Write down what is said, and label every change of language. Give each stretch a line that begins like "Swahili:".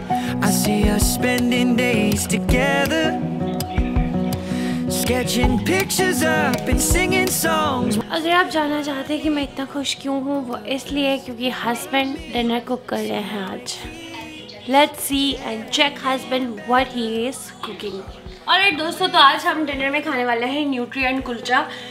English: I see us spending days together, sketching pictures up and singing songs.
Hindi: अगर आप जानना चाहते हैं कि मैं इतना खुश क्यों हूँ, वो इसलिए क्योंकि हस्बैंड डिनर कुक कर रहे हैं आज.
English: Let's see and check husband what he is cooking. All right,
Hindi: दोस्तों, तो आज हम डिनर में खाने वाले हैं न्यूट्री एंड कुलचा.